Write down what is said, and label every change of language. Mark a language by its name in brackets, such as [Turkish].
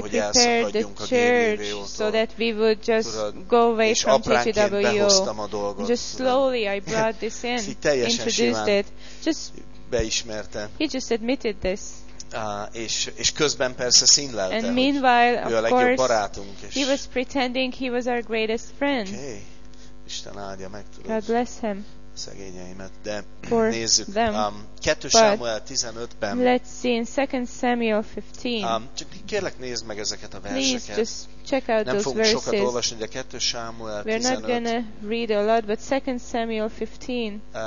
[Hungarian] hogy elszakadjunk a GGWO-tól. [English] So that we would just go away [Hungarian] és [English] from GGWO. [Hungarian] És apránként behoztam a dolgot. [English] Just slowly I brought this in. Introduced it. Just [Hungarian] beismerte. [English] He just admitted this. [Hungarian] És közben persze színlelte. [English] And meanwhile, of course, [Hungarian] ő a legjobb barátunk. [English] He was pretending he was our greatest friend. [Hungarian] Okay. Isten áldja meg, tudod. [English] God bless him. [Hungarian] szegényeimet, de nézzük. 2 Sámuel 15-ben. [English] Let's see in 2 Samuel 15. [Hungarian] Csak kérlek nézd meg ezeket a verseket. [English] Just check out [Hungarian] nem [English] those verses. [Hungarian] Nem fogunk sokat olvasni, de 2 Sámuel 15. [English] We're not gonna read a lot, but 2 Samuel 15.